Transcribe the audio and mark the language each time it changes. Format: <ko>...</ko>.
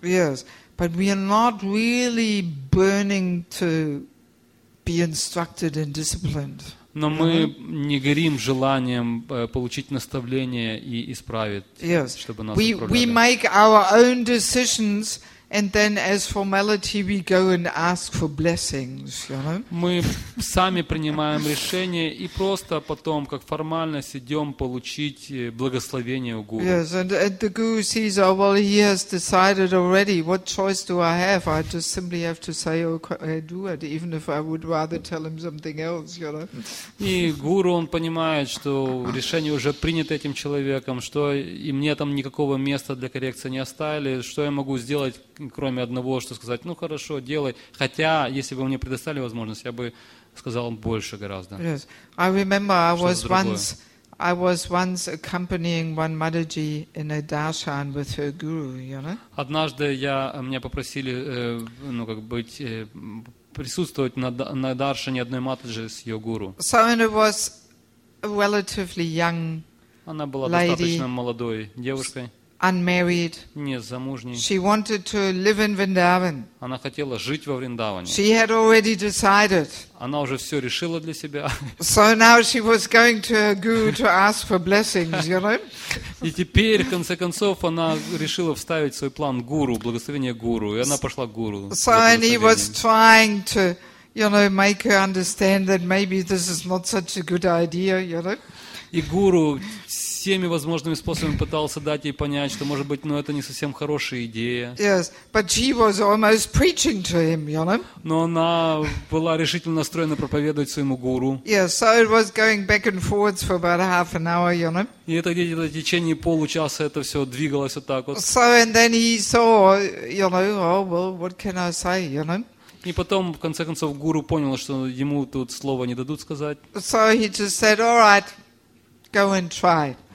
<en>Yes, but we are not really burning to be instructed and disciplined.</en> <ru>Но мы не горим желанием получить наставление и исправить,</ru> <en>yes,</en> <ru>чтобы нас управляли.</ru> <en>We make our own decisions, and then as formality we go and ask for blessings, you know?</en> <ru>Мы сами принимаем решение и просто потом, как формальность, идем получить благословение у гуру.</ru> <en>Yes, and the guru says, oh, well, he has decided already. What choice do I have? I just simply have to say, oh, I do it, even if I would rather tell him something else, you know?</en> <ru>И гуру, он понимает, что решение уже принято этим человеком, что и мне там никакого места для коррекции не оставили, что я могу сделать, кроме одного, что сказать, ну хорошо, делай. Хотя, если бы мне предоставили возможность, я бы сказал больше гораздо.</ru> <en>Yes. I remember I was once accompanying one Mataji in a darshan with her guru, you know?</en> <ru>Однажды меня попросили, ну как быть, присутствовать на даршане одной Матаджи с ее гуру.</ru> <en>So it was a relatively young lady.</en> <ru>Она была достаточно молодой девушкой.</ru> <en>Unmarried.</en> <ru>Не замужней.</ru> <en>She wanted to live in Vrindavan.</en> <ru>Она хотела жить во Вриндаване.</ru> <en>She had already decided.</en> <ru>Она уже все решила для себя.</ru> <en>So now she was going to her guru to ask for blessings, you know?</en> <ru>И теперь, в конце концов, она решила вставить в свой план гуру, благословение гуру, и она пошла к гуру.</ru> <en>So and he was trying to, you know, make her understand that maybe this is not such a good idea, you know?</en> <ru>И гуру всеми возможными способами пытался дать ей понять, что, может быть, это не совсем хорошая идея.</ru> <en>Yes, but she was almost preaching to him, you know?</en> <ru>Но она была решительно настроена проповедовать своему гуру.</ru> <en>Yes, so it was going back and forth for about half an hour, you know?</en> <ru>И это где-то в течение получаса это все двигалось вот так вот.</ru> <en>So, and then he saw, you know, oh, well, what can I say, you know?</en> <ru>И потом, в конце концов, гуру понял, что ему тут слова не дадут сказать.</ru> <en>So he just said, all right, go and try.</en>